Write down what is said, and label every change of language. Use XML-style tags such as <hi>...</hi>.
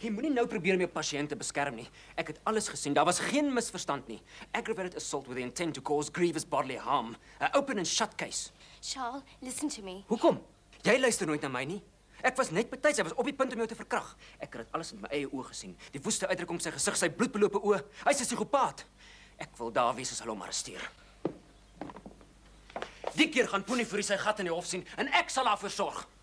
<af>Jy moenie nou probeer om jou pasiënte beskerm nie. Ek het alles gesien. Daar was geen misverstand nie.</af> <en>Aggravated assault with the intent to cause grievous bodily harm. An open and shut case. Charlotte, listen to me.</en> <af>Hoekom? Jy luister nooit na my nie. Ek was net betyds. Hy was op die punt om jou te verkrag. Ek het dit alles met my eie oë gesien. Die woeste uitdrukking op sy gesig, sy bloedbelope oë. Hy's 'n psigopaat. Ek wil daar wees as hulle hom arresteer. Die keer gaan Poenie vir sy gat in die hof sien en ek sal daarvoor sorg.</af>